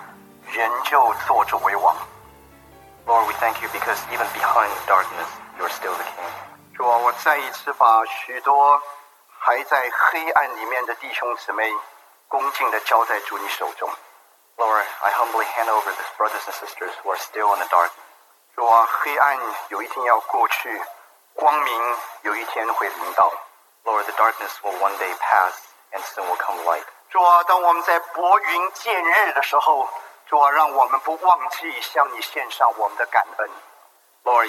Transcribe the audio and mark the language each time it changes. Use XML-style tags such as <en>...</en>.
<zh>天父，我们谢谢你，因为你在背后黑暗的背后仍旧坐着为王。</zh> <en>Lord, we thank you because even behind darkness, you're still the king.</en> <zh>主啊，我再一次把许多还在黑暗里面的弟兄姊妹恭敬地交在主你手中。</zh> <en>Lord, I humbly hand over these brothers and sisters who are still in the dark.</en> <zh>主啊，黑暗有一天要过去。</zh> <en>Lord, the darkness will one day pass, and sin will come light.</en> <zh>主啊，当我们在薄云见日的时候，主啊，让我们不忘记向你献上我们的感恩。</zh> <en>Lord,</en>